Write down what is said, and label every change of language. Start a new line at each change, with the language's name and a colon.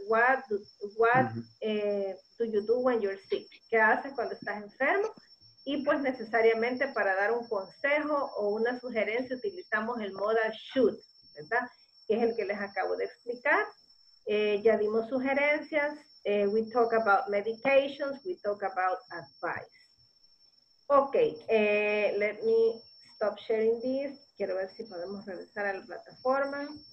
English: What do you do when you're sick?
Spanish: ¿Qué haces cuando estás enfermo? Y pues necesariamente para dar un consejo o una sugerencia utilizamos el modal should, ¿verdad? Que es el que les acabo de explicar. Ya dimos sugerencias.
English: We talk about medications, we talk about advice. Okay, let me stop sharing this.
Spanish: Quiero ver si podemos regresar a la plataforma.